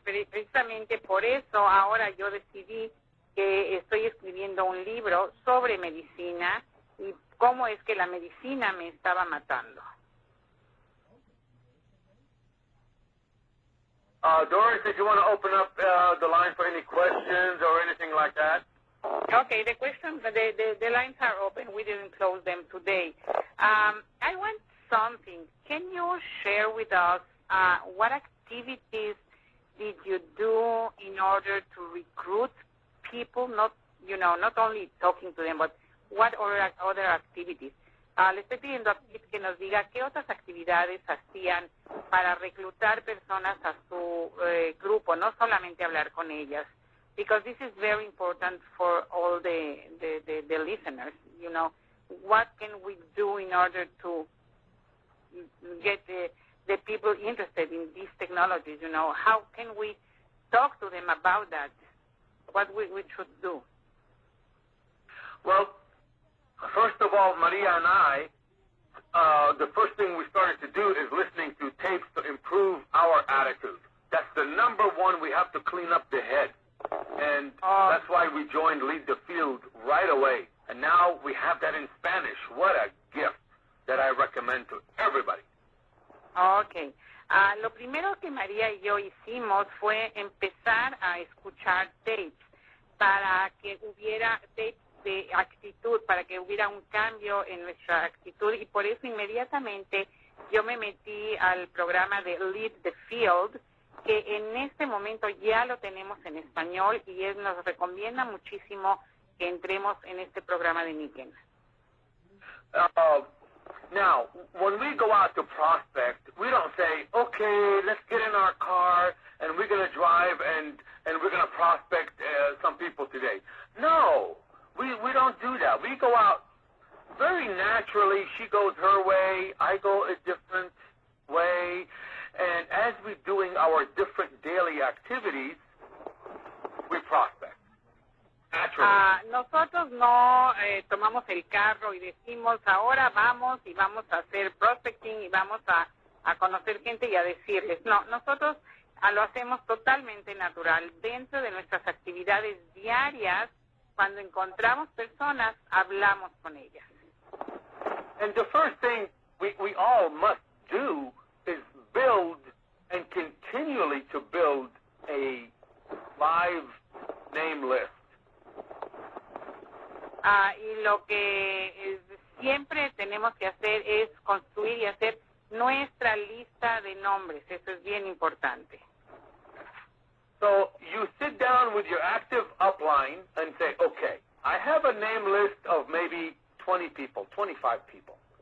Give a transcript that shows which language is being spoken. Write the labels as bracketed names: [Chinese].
[Spanish] Precisamente por eso ahora yo decidí que estoy escribiendo un libro sobre medicina y cómo es que la medicina me estaba matando. [English] Doris, did you want to open up the line for any questions or anything like that? Okay, the questions, the lines are open. We didn't close them today. I want something. Can you share with us what activities did you do in order to recruit people? Not only talking to them, but what other activities? Le estoy pidiendo a Pete que nos diga qué otras actividades hacían para reclutar personas a su grupo, no solamente hablar con ellas. Because this is very important for all the listeners, you know. What can we do in order to get the people interested in these technologies, you know? How can we talk to them about that? What we should do? Well, first of all, Maria and I, the first thing we started to do is listening to tapes to improve our attitude. That's the number one. We have to clean up the head. And that's why we joined Lead the Field right away. And now we have that in Spanish. What a gift that I recommend to everybody. Okay. [Spanish] Lo primero que Maria y yo hicimos fue empezar a escuchar tapes para que hubiera tapes de actitud, para que hubiera un cambio en nuestra actitud. Y por eso inmediatamente yo me metí al programa de Lead the Field, que en este momento ya lo tenemos en español y él nos recomienda muchísimo que entremos en este programa de Niken. [English] Now, when we go out to prospect, we don't say, okay, let's get in our car and we're going to drive and we're going to prospect some people today. No. We don't do that. We go out very naturally. She goes her way. I go a different way. And as we're doing our different daily activities, we prospect naturally. [Spanish] Nosotros no tomamos el carro y decimos, ahora vamos y vamos a hacer prospecting y vamos a conocer gente y a decirles. No, nosotros lo hacemos totalmente natural dentro de nuestras actividades diarias. Cuando encontramos personas, hablamos con ellas. [English] And the first thing we all must do is build and continually to build a live name list. [Spanish] Y lo que siempre tenemos que hacer es construir y hacer nuestra lista de nombres. Eso es bien importante. [English] So you sit down with your active upline and say, okay, I have a name list of maybe 20 people, 25 people.